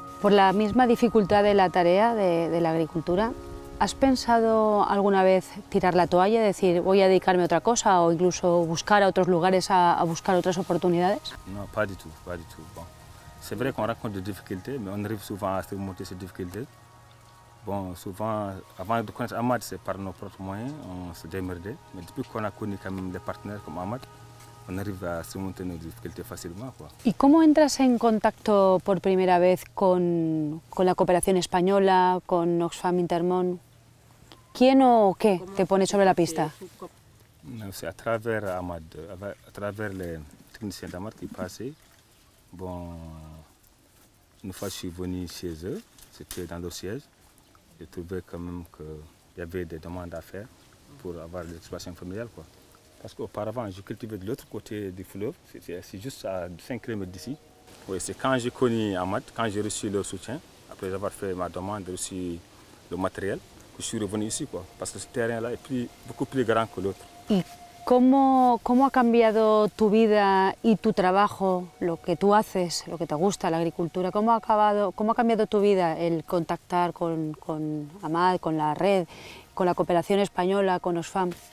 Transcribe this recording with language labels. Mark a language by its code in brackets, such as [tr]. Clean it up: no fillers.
[fr] Pour la même difficulté de la tarea de l'agriculture, [es] ¿has pensado alguna vez tirar la toalla, decir voy a dedicarme a otra cosa o incluso buscar a otros lugares a buscar otras oportunidades? [fr] No, pas du tout, pas du tout. Bon. C'est vrai qu'on rencontre des difficultés, mais on arrive souvent à surmonter ces difficultés. Bon, souvent, avant de connaître Ahmad, c'est par nos propres moyens, on se démerdait. Mais depuis qu'on a connu quand même des partenaires comme Ahmad, on arrive à surmonter nos difficultés facilement. Quoi. [es] ¿Y cómo entras en contacto por primera vez con la cooperación española, con Oxfam Intermón? ¿Quién o qué te pone sobre la pista? [fr] No, c'est à travers Ahmad, à travers les techniciens d'Ahmad qui passaient. Bon, une fois je suis venu chez eux, c'était dans leur siège, j'ai trouvé quand même qu'il y avait des demandes à faire pour avoir l'exploitation familiale. Quoi. Parce qu'auparavant, je cultivais de l'autre côté du fleuve, c'est juste à 5 km d'ici. Oui, c'est quand j'ai connu Ahmad, quand j'ai reçu leur soutien, après avoir fait ma demande, reçu le matériel, que je suis revenu ici. Quoi. Parce que ce terrain-là est beaucoup plus grand que l'autre. [es] ¿Cómo ha cambiado tu vida y tu trabajo, lo que tú haces, lo que te gusta, la agricultura? ¿Cómo ha cambiado tu vida el contactar con Ahmad, con la red, con la cooperación española, con Oxfam?